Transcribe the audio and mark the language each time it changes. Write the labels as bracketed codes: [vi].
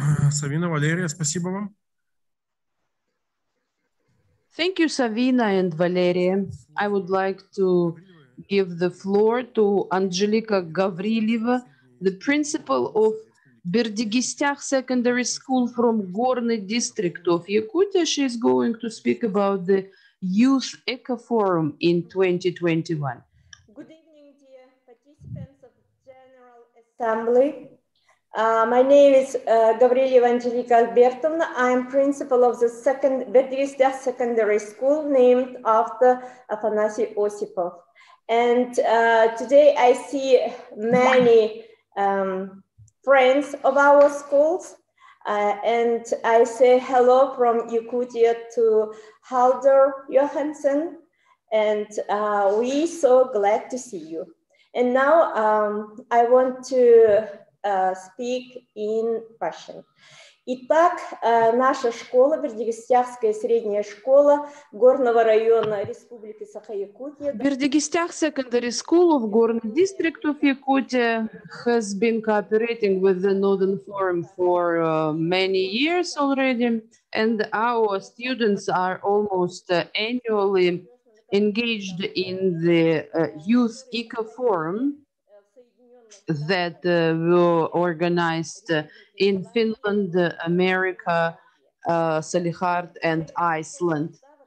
[ru] Савина, Валерия, спасибо вам. [en] Thank you, Savina and Valeria. I would like to give the floor to Angelika Gavrilova, the principal of Berdigistyakh Secondary School from Gorny District of Yakutia. She is going to speak about the Youth Eco Forum in 2021. Good evening, dear participants of the General Assembly. My name is Gavrilova Angelika Albertovna. I am principal of the Berdigistyakh Secondary School named after Afanasy Osipov. And today I see many friends of our schools, and I say hello from Yakutia to Halder Johansson, and we so glad to see you. And now I want to speak in Russian. [ru] Итак, наша школа, Бердигистяхская средняя школа Горного района Республики Саха-Якутия. [en] Бердигистях Secondary School of Горный District of Yakutia has been cooperating with the Northern Forum for many years already, and our students are almost annually engaged in the Youth Eco Forum that were organized in Finland, America, Salihard, and Iceland.